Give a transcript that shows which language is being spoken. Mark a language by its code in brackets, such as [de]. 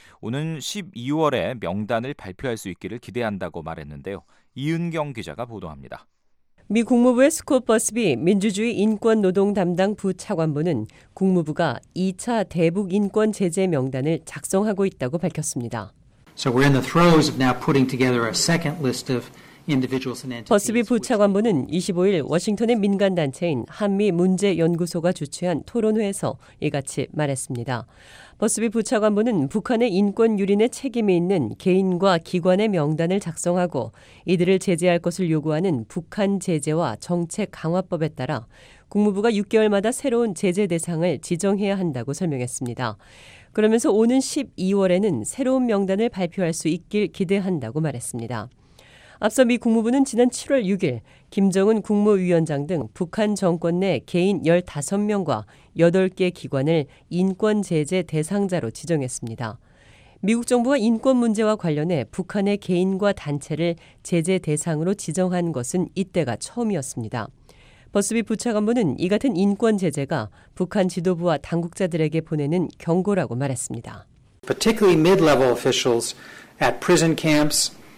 [ko] 오는 12월에 명단을 발표할 수 있기를 기대한다고 말했는데요. 이은경 기자가 보도합니다. 미 국무부의 스콧 버스비 민주주의 인권 노동 담당 부차관보는 국무부가 2차 대북 인권 제재 명단을 작성하고 있다고 밝혔습니다. [en] So we're in the throes of now putting together a second list of individuals and entities. [ko] 버스비 부차관보는 25일 워싱턴의 민간 단체인 한미 문제 연구소가 주최한 토론회에서 이같이 말했습니다. 버스비 부차관보는 북한의 인권 유린에 책임이 있는 개인과 기관의 명단을 작성하고 이들을 제재할 것을 요구하는 북한 제재와 정책 강화법에 따라 국무부가 6개월마다 새로운 제재 대상을 지정해야 한다고 설명했습니다. 그러면서 오는 12월에는 새로운 명단을 발표할 수 있길 기대한다고 말했습니다. 앞서 미 국무부는 지난 7월 6일 김정은 국무위원장 등 북한 정권 내 개인 15명과 8개 기관을 인권 제재 대상자로 지정했습니다. 미국 정부가 인권 문제와 관련해 북한의 개인과 단체를 제재 대상으로 지정한 것은 이때가 처음이었습니다. 버스비 부차관보는 이 같은 인권 제재가 북한 지도부와 당국자들에게 보내는 경고라고 말했습니다. [en] Particularly mid-level officials at prison camps.